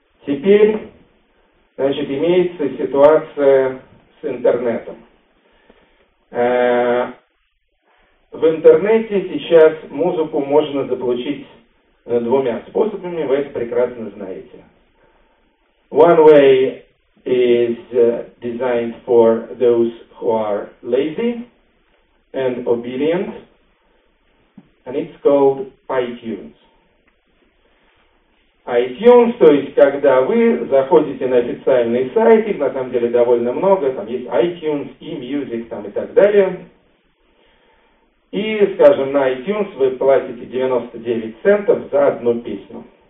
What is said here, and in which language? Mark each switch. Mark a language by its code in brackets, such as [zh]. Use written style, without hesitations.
[ru] Теперь, значит, имеется ситуация с интернетом. В интернете сейчас музыку можно заполучить двумя способами, вы это прекрасно знаете. [en] One way is designed for those who are lazy and obedient, and it's called iTunes. [ru] iTunes, то есть, когда вы заходите на официальный сайт, их на самом деле довольно много, там есть iTunes, eMusic там и так далее, и, скажем, на iTunes вы платите 99 центов за одну песню.